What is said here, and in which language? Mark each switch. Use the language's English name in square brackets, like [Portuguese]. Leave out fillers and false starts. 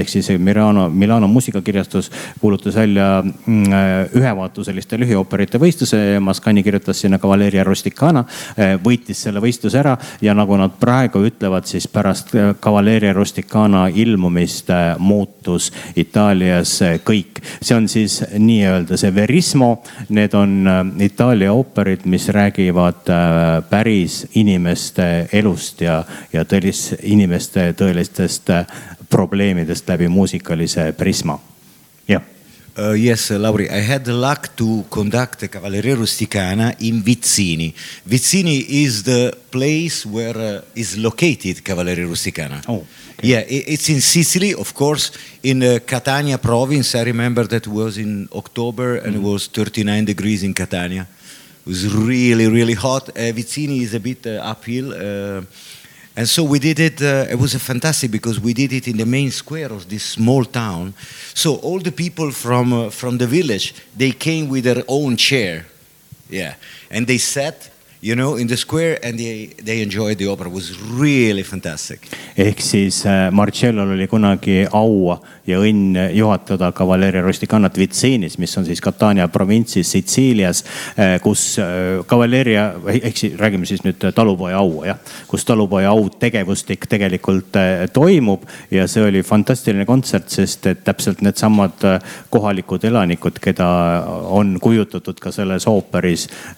[Estonian] Ehk siis Milano musikakirjastus kuulutas välja ühevatu selliste lühioperite võistluse ja Mascagni kirjutas sinna Cavalleria Rusticana, võitis selle võistus ära ja nagu nad praegu ütlevad, siis pärast Cavalleria Rusticana ilmumist muutus Itaalias kõik. See on siis nii öelda see verismo. Need on Itaalia ooperid, mis räägivad päris inimeste elust ja tõelis inimeste tõelistest probleemidest läbi muusikalise prisma. [English] Yes, Lauri, I had the luck to conduct Cavalleria Rusticana in Vizzini. Vizzini is the place where is located Cavalleria Rusticana. Oh, okay. Yeah, it's in Sicily, of course, in Catania province. I remember that was in October and it was 39 degrees in Catania. It was really, really hot. Vizzini is a bit uphill. And so we did it, it was a fantastic because we did it in the main square of this small town. So all the people from the village, they came with their own chair. Yeah. And they sat, you know, in the square and they enjoyed the opera. It was really fantastic. [Estonian] Ehk siis Marcello oli kunagi au ja õnn juhatada Cavalleria Rusticanat Vizzinis, mis on siis Catania provintsis Sitsiilias, kus Cavalleria, ehk siis räägime siis nüüd talupoja au, ja, kus talupoja au tegevustik tegelikult toimub ja see oli fantastiline kontsert, sest et täpselt need samad kohalikud elanikud, keda on kujutatud ka selles ooperis,